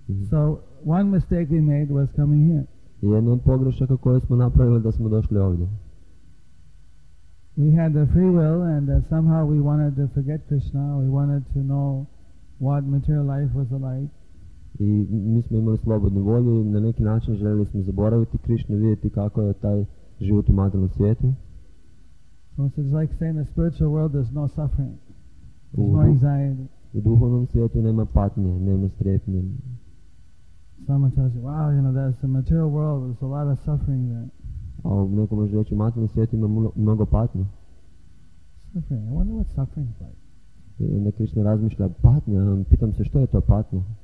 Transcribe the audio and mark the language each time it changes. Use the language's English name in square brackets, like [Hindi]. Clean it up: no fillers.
[English] So, one mistake we made was coming here. [Croatian] Jedna od pogrešaka koje smo napravili da smo došli ovdje. [English] We had the free will and somehow we wanted to forget Krishna, we wanted to know what material life was like. [Croatian] I mi smo imali slobodnu volju i na neki način željeli smo zaboraviti Krišnu, vidjeti kako je taj život u materijalnom svijetu. [English] So it's like saying the spiritual world there's no suffering. There's no anxiety. [Croatian] U duhovnom svijetu nema patnje, nema strepnje. [English] Someone tells you, wow, you know, that's the material world, there's a lot of suffering there. [Croatian] A neko može reći, u materijalnom svijetu ima mnogo patnje. [English] suffering. I wonder what suffering is like. [Croatian] I onda Krishna razmišlja, patnja, pitam se što je to patnja.